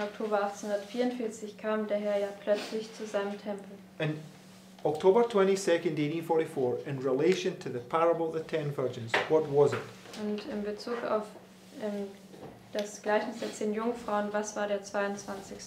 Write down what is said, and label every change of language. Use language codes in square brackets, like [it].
[de] Oktober 1844 kam der Herr ja plötzlich zu seinem Tempel. [en] And October 22nd, 1844, in relation to the parable of the ten virgins, what was it? [de] Und in Bezug auf das Gleichnis der 10 Jungfrauen, was war der 22.